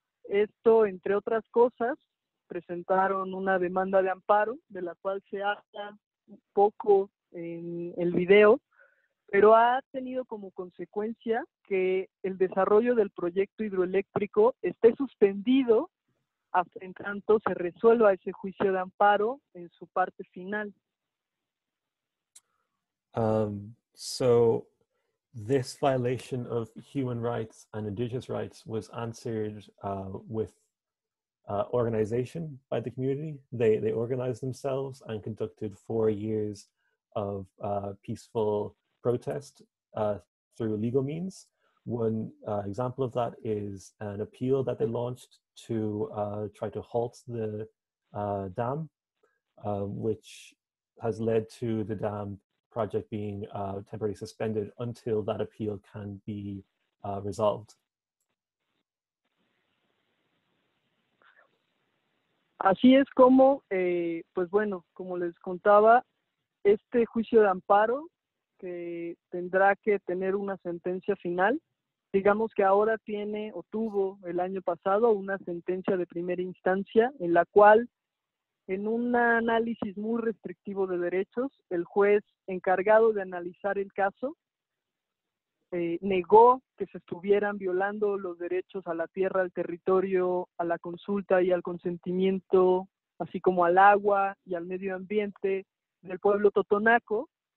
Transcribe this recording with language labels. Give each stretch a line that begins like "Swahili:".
Spanish: Esto, entre otras cosas, presentaron una demanda de amparo, de la cual se habla un poco en el video, pero ha tenido como consecuencia que el desarrollo del proyecto hidroeléctrico esté suspendido hasta en tanto se resuelva ese juicio de amparo en su parte final.
English: So this violation of human rights and indigenous rights was answered with organization by the community. They organized themselves and conducted 4 years of peaceful protest through legal means. One example of that is an appeal that they launched to try to halt the dam, which has led to the dam project being temporarily suspended until that appeal can be resolved.
Spanish: Así es como, pues bueno, como les contaba, este juicio de amparo que tendrá que tener una sentencia final. Digamos que ahora tiene o tuvo el año pasado una sentencia de primera instancia en la cual, en un análisis muy restrictivo de derechos, el juez encargado de analizar el caso negó que se estuvieran violando los derechos a la tierra, al territorio, a la consulta y al consentimiento, así como al agua y al medio ambiente del pueblo totonaco.